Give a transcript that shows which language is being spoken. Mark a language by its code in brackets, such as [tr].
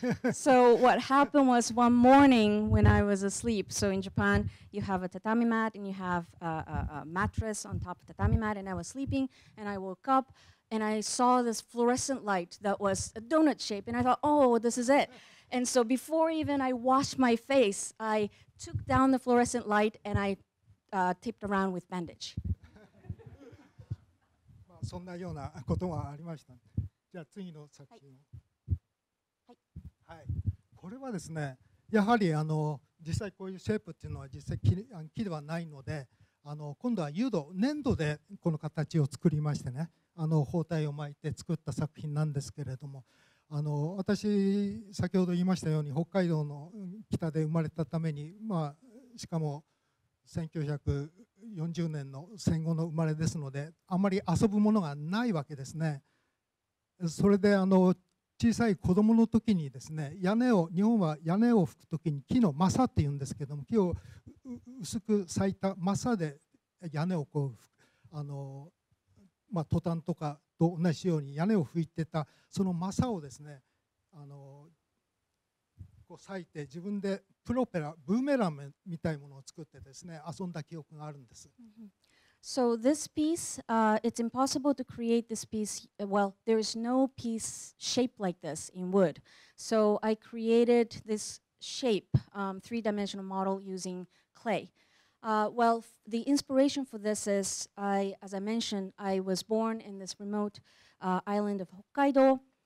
[en] So what happened was one morning when I was asleep, so in Japan you have a tatami mat and you have a mattress on top of tatami mat, and I was sleeping and I woke up and I saw this fluorescent light that was a donut shape, and I thought, oh, this is it. And so before even I washed my face, I took down the fluorescent light and I taped around with bandage. [ja] そんなようなことがありました。じゃあ次の作品を。これはですね、やはり実際こういうシェイプっていうのは実際木ではないので、今度は油土、粘土でこの形を作りましてね、包帯を巻いて作った作品なんですけれども、私先ほど言いましたように北海道の北で生まれたために、まあ、しかも1940年の戦後の生まれですので、あまり遊ぶものがないわけですね。それで小さい子どもの時にですね、屋根を、日本は屋根を吹く時に木のマサっていうんですけども、木を薄く裂いたマサで屋根をこう吹く、まあ、トタンとかと同じように屋根を吹いてた、そのマサをですね、こう裂いて自分でプロペラ、ブーメランみたいなものを作ってですね、遊んだ記憶があるんです。 [en] So this piece, it's impossible to create this piece. Well, there is no piece shaped like this in wood. So I created this shape, three-dimensional model using clay. The inspiration for this is, as I mentioned, I was born in this remote island of Hokkaido.